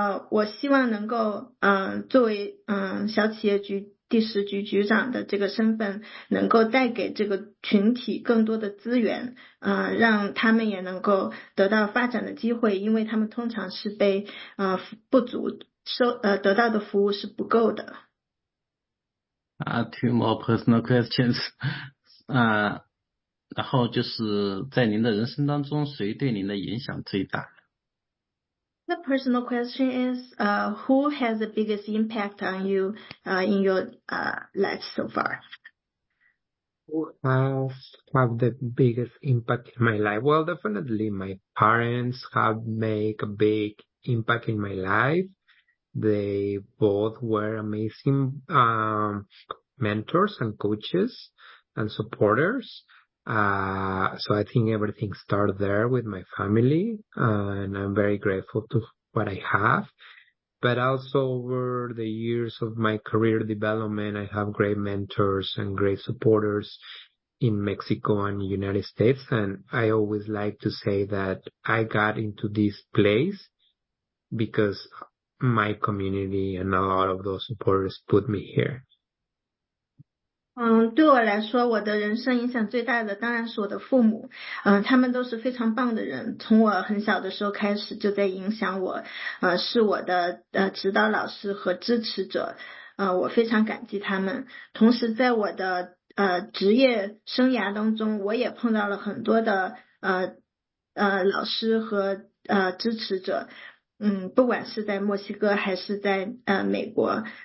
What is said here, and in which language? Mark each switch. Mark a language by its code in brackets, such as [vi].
[zh] 我希望能够作为小企业局第十局局长的这个身份能够带给这个群体更多的资源，让他们也能够得到发展的机会，因为他们通常是被不足收得到的服务是不够的。 [en] Two more personal questions. [zh] 然后就是在您的人生当中谁对您的影响最大？ [en] The personal question is, who has the biggest impact on you in your life so far? Who has had the biggest impact in my life? Well, definitely my parents have made a big impact in my life. They both were amazing mentors and coaches and supporters. So I think everything started there with my family, and I'm very grateful to what I have. But also over the years of my career development, I have great mentors and great supporters in Mexico and United States. And I always like to say that I got into this place because my community and a lot of those supporters put me here. [zh] 对我来说，我的人生影响最大的当然是我的父母。他们都是非常棒的人，从我很小的时候开始就在影响我，是我的指导老师和支持者，我非常感激他们。同时在我的职业生涯当中，我也碰到了很多的老师和支持者，不管是在墨西哥还是在美国。